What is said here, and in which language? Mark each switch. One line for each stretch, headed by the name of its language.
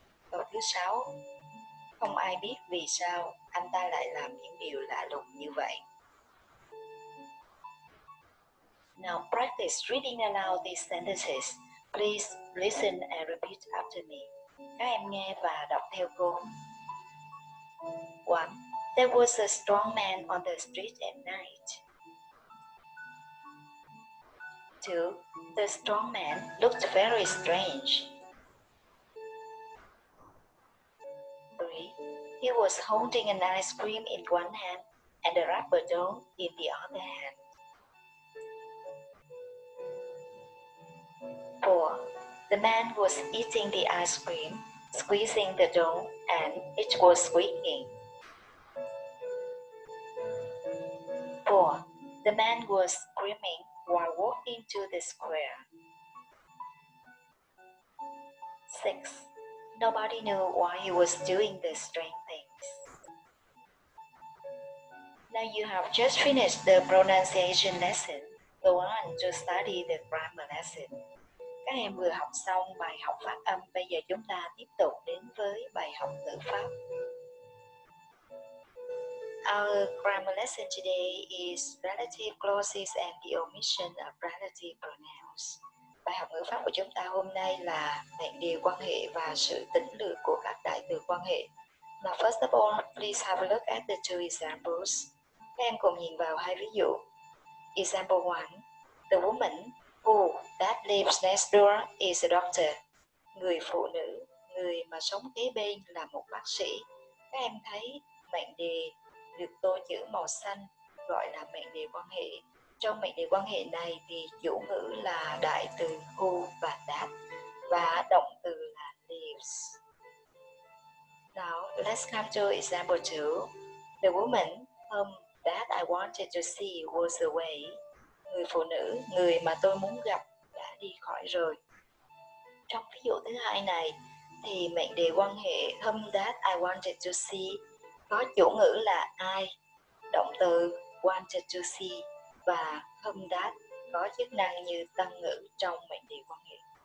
Vietnamese: Câu thứ sáu, không ai biết vì sao anh ta lại làm những điều lạ lùng như vậy.
English: Now practice reading aloud these sentences. Please listen and repeat after me.
Vietnamese: Các em nghe và đọc theo cô.
English: 1. There was a strong man on the street at night. 2. The strong man looked very strange. 3. He was holding an ice cream in one hand and a rubber dome in the other hand. 4. The man was eating the ice cream, squeezing the dough, and it was squeaking. 5. The man was screaming while walking to the square. 6. Nobody knew why he was doing the strange things. Now you have just finished the pronunciation lesson. Go on to study the grammar lesson.
Vietnamese: Các em vừa học xong bài học phát âm, bây giờ chúng ta tiếp tục đến với bài học ngữ pháp.
English: Our grammar lesson today is relative clauses and the omission of relative pronouns.
Vietnamese: Bài học ngữ pháp của chúng ta hôm nay là mệnh đề quan hệ và sự tỉnh lược của các đại từ quan hệ.
English: Now first of all, please have a look at the two examples.
Vietnamese: Các em cùng nhìn vào hai ví dụ.
English: Example 1, the woman who that lives next door is a doctor.
Vietnamese: Người phụ nữ, người mà sống kế bên là một bác sĩ. Các em thấy mệnh đề được tô chữ màu xanh gọi là mệnh đề quan hệ. Trong mệnh đề quan hệ này thì chủ ngữ là đại từ who và that và động từ là lives.
English: Now, let's come to example 2. The woman whom that I wanted to see was away.
Vietnamese: Người phụ nữ, người mà tôi muốn gặp đã đi khỏi rồi. Trong ví dụ thứ hai này, thì mệnh đề quan hệ
English: whom that I wanted to see
Vietnamese: có chủ ngữ là I, động từ
English: wanted to see
Vietnamese: và whom that có chức năng như tăng ngữ trong mệnh đề quan hệ.